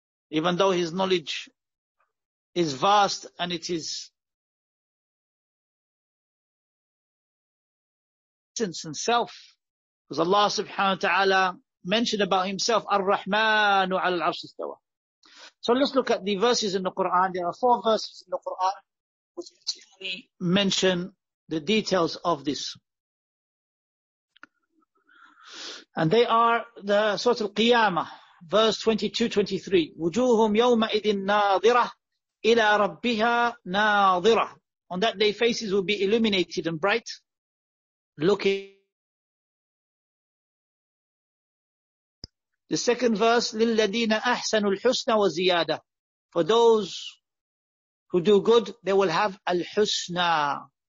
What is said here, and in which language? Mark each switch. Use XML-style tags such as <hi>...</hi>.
<en>Even though His knowledge is vast and it is essence and self. Because Allah subhanahu wa ta'ala mentioned about Himself,</en> <ar>Ar-Rahmanu ala al-arsh istawa.</ar> <en>So let's look at the verses in the Quran. There are four verses in the Quran which actually mention the details of this. And they are the Surat Al-Qiyamah, verse 22-23.</en> <ar>وجوههم يومئذ ناظرة إلى ربها ناظرة.</ar> <en>On that day, faces will be illuminated and bright, looking. The second verse,</en> <ar>لِلَّذِينَ أَحْسَنُوا الْحُسْنَ وَزِيَادَةً.</ar> <en>For those who do good, they will have al-husna.</en>